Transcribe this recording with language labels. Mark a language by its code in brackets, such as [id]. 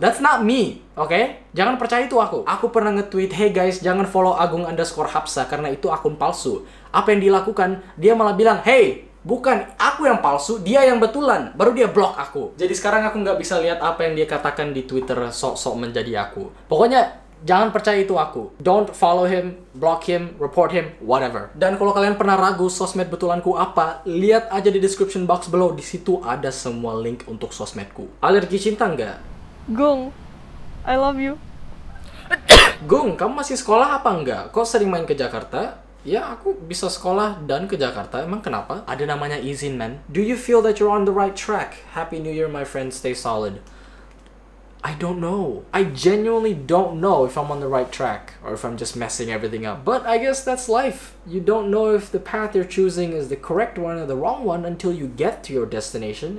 [en] That's not me, okay? [id] Jangan percaya itu aku. Aku pernah nge-tweet, hey guys, jangan follow Agung underscore Hapsah karena itu akun palsu. Apa yang dilakukan? Dia malah bilang, hey, bukan aku yang palsu, dia yang betulan. Baru dia block aku. Jadi sekarang aku nggak bisa lihat apa yang dia katakan di Twitter sok-sok menjadi aku. Pokoknya jangan percaya itu aku. [en] Don't follow him, block him, report him, whatever. [id] Dan kalau kalian pernah ragu sosmed betulanku apa, lihat aja di [en] description box below. [id] Di situ ada semua link untuk sosmedku. Alergi cinta nggak? [en] Gung, I love you. [id] Gung, kamu masih sekolah apa nggak? Kok sering main ke Jakarta? Ya, aku bisa sekolah dan ke Jakarta. Emang kenapa? Ada namanya izin, man. [en] Do you feel that you're on the right track? Happy New Year, my friend. Stay solid. I don't know. I genuinely don't know if I'm on the right track or if I'm just messing everything up. But I guess that's life. You don't know if the path you're choosing is the correct one or the wrong one until you get to your destination.